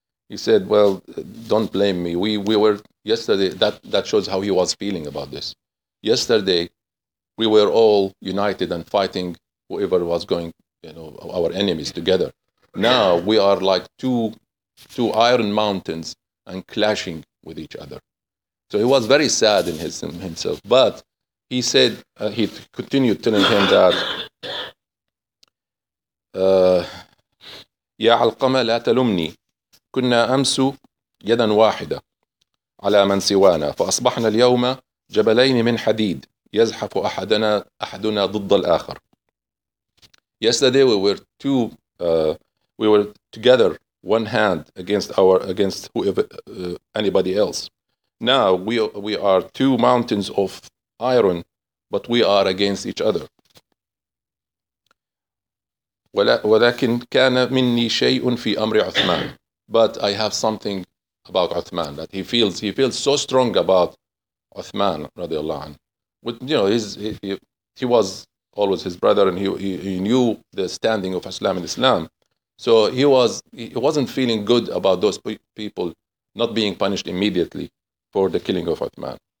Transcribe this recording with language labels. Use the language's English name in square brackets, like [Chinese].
[English] He said, well, don't blame me. We were yesterday, that shows how he was feeling about this. Yesterday, we were all united and fighting whoever was going, you know, our enemies together. Now we are like two iron mountains and clashing with each other. So he was very sad in himself. But he said, he continued telling him that, [Arabic] يا علقمة لا تلمني كنا أمس يدا واحدة على من سوانا فأصبحنا اليوم جبلين من حديد يزحف أحدنا ضد الآخر. [English] Yesterday we were we were together, one hand against whoever, anybody else. Now we are two mountains of iron, but we are against each other. [Arabic] ولكن كان مني شيء في أمر عثمان. [English] But I have something about Uthman that he feels so strong about Uthman radiallahu anhu. With, you know, he was always his brother, and he knew the standing of Islam in Islam. So he wasn't feeling good about those people not being punished immediately for the killing of Uthman.